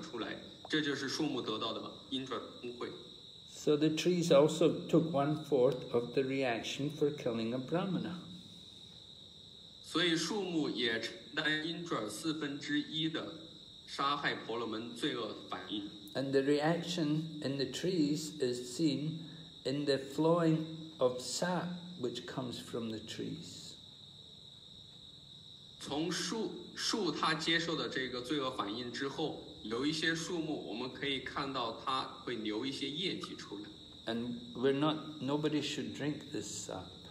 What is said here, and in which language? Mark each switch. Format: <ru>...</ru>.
<zh>树木得到Indra的恩惠是当这个树木的树枝被剪断之后，它能够再次生长出来，这就是树木得到的Indra的恩惠。</zh> <en>So the trees also took 1/4 of the reaction for killing a brahmana.</en> <zh>所以树木也承担因转四分之一的杀害婆罗门罪恶反应.</zh> <en>And the reaction in the trees is seen in the flowing of sap which comes from the trees.</en> <zh>从树它接受的这个罪恶反应之后， 有一些树木，我们可以看到它会流一些液体出来。</zh> <en>And we're not, nobody should drink this sap.</en>